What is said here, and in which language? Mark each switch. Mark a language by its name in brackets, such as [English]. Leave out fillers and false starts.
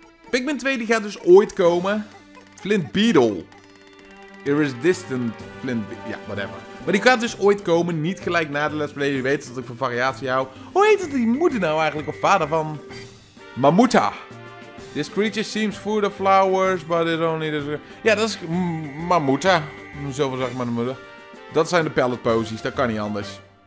[Dutch] Pikmin 2 die gaat dus ooit komen. Flint Beetle. Iridescent Flint Beetle. Ja, whatever. Maar die gaat dus ooit komen. Niet gelijk na de Let's Play. Je weet dat ik van variatie hou. Hoe heet het die moeder nou eigenlijk? Of vader van... Mamuta. [English] This creature seems full of flowers, but it only... [Dutch] Ja, dat is Mamuta. Zoveel zeg maar de moeder. Dat zijn de pallet posies. Dat kan niet anders.